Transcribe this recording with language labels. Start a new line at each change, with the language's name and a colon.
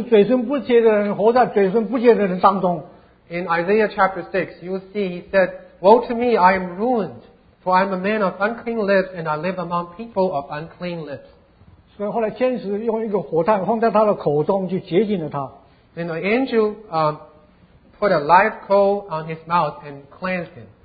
Chinese: 在以赛亚书第六章里面告诉我们：祸哉我灭亡了，因为我是嘴唇不洁的人，活在嘴唇不洁的人当中。
English: In Isaiah chapter 6, you will see, he said, woe to me, I am ruined, for I am a man of unclean lips, and I live among people of unclean lips.
Chinese: 所以后来天使用一个火炭放在他的口中，就洁净了他。
English: Then the angel put a live coal on his mouth and cleansed him.